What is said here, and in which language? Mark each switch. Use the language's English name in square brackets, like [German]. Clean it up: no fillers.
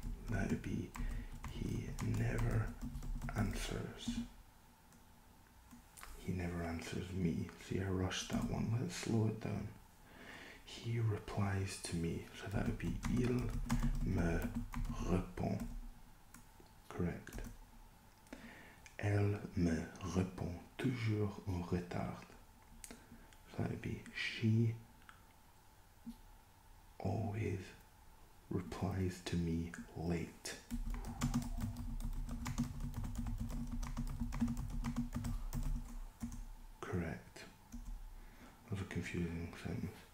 [English] That would be he never answers. He never answers me. See, I rushed that one. Let's slow it down. He replies to me, so that would be [French] il me répond. [English] Correct. [French] Elle me répond toujours en retard. [English] So that would be she always replies to me late. Correct. That was a confusing sentence.